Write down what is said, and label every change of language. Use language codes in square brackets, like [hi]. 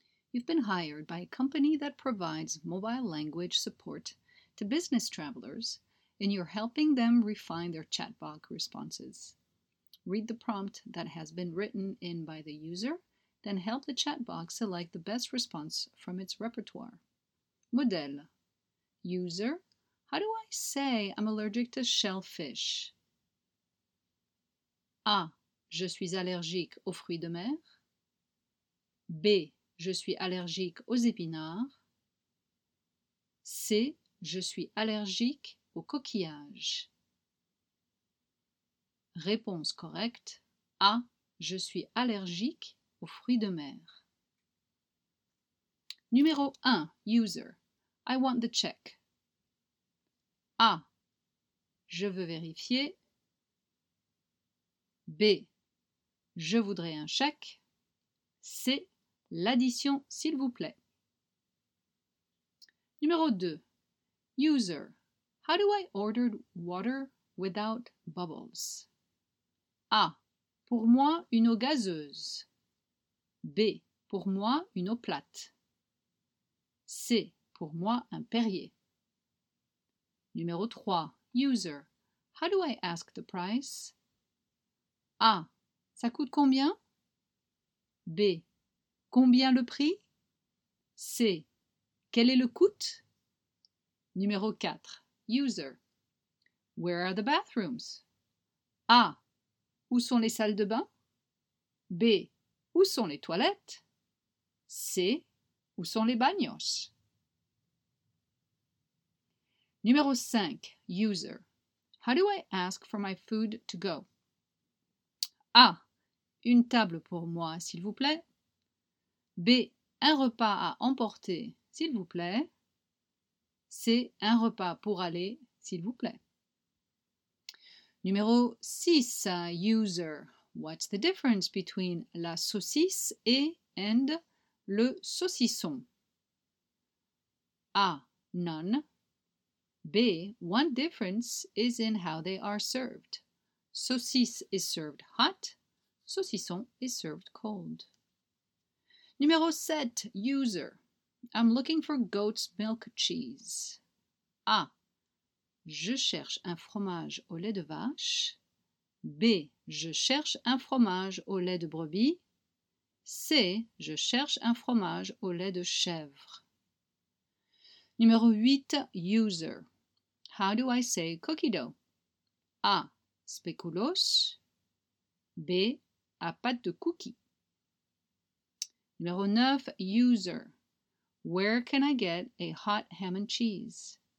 [en] You've been hired by a company that provides mobile language support to business travelers, and you're helping them refine their chatbot responses. Read the prompt that has been written in by the user, then help the chatbot select the best response from its repertoire. Modèle. User, how do I say I'm allergic to shellfish? A. [fr] Je suis allergique aux fruits de mer. B. Je suis allergique aux épinards. C. Je suis allergique aux coquillages. Réponse correcte. A. Je suis allergique aux fruits de mer. Numéro 1. [en] User. I want the check. A. [fr] Je veux vérifier. B. Je voudrais un chèque. C. L'addition, s'il vous plaît. Numéro 2. User. [en] How do I order water without bubbles? A. [fr] Pour moi, une eau gazeuse. B. Pour moi, une eau plate. C. Pour moi, un Perrier. Numéro 3. User. [en] How do I ask the price? [fr] A. Ça coûte combien? B. Combien le prix? C. Quel est le coût? Numéro 4. User. [en] Where are the bathrooms? A. [fr] Où sont les salles de bain? B. Où sont les toilettes? C. Où sont les baños? Numéro 5. User. [en] How do I ask for my food to go? A. [fr] Une table pour moi, s'il vous plaît. B. Un repas à emporter, s'il vous plaît. C. Un repas pour aller, s'il vous plaît. Numéro 6. User. [en] What's the difference between [fr] la saucisse et [en] and le saucisson? A. None. B. One difference is in how they are served. Saucisse is served hot. Saucisson is served cold. [fr] Numéro 7. [en] User. I'm looking for goat's milk cheese. A. [fr] Je cherche un fromage au lait de vache. B. Je cherche un fromage au lait de brebis. C. Je cherche un fromage au lait de chèvre. Numéro 8. User. [en] How do I say cookie dough? [fr] A. Spéculoos. B. À pâte de cookie. Numéro 9. User. [en] Where can I get a hot ham and cheese?